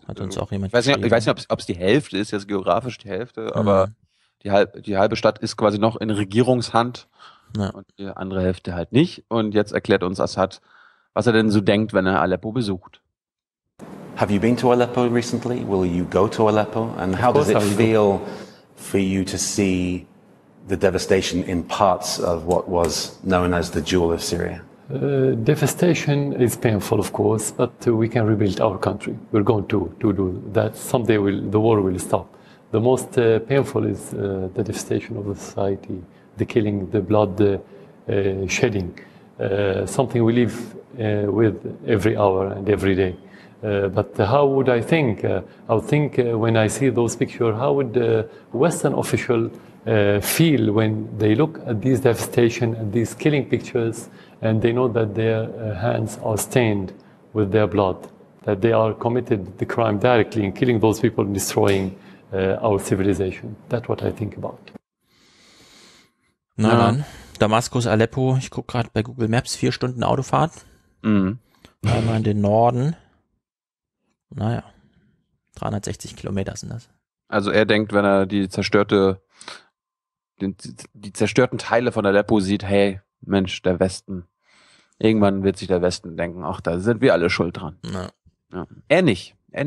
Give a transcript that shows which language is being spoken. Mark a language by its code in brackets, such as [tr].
[de] Hat uns auch jemand gesagt. Ich weiß nicht, ob es die Hälfte ist, jetzt geografisch die Hälfte, aber die halbe Stadt ist quasi noch in Regierungshand. Ja. Und die andere Hälfte halt nicht. Und jetzt erklärt uns Assad, was er denn so denkt, wenn er Aleppo besucht. [en] Have you been to Aleppo recently? Will you go to Aleppo? And how does it feel for you to see the devastation in parts of what was known as the jewel of Syria? Devastation is painful, of course, but we can rebuild our country. We're going to do that. Someday the war will stop. The most painful is the devastation of the society. The killing, the blood, the shedding, something we live with every hour and every day. But how would I think? I would think when I see those pictures, how would a Western official feel when they look at these devastation and these killing pictures and they know that their hands are stained with their blood, that they are committed the crime directly in killing those people and destroying our civilization. That's what I think about. [de] Na dann, Damaskus, Aleppo, ich gucke gerade bei Google Maps, 4 Stunden Autofahrt, einmal in den Norden, naja, 360 Kilometer sind das. Also er denkt, wenn er die zerstörten Teile von Aleppo sieht, hey, Mensch, der Westen, irgendwann wird sich der Westen denken, ach, da sind wir alle schuld dran. Ja. Er nicht.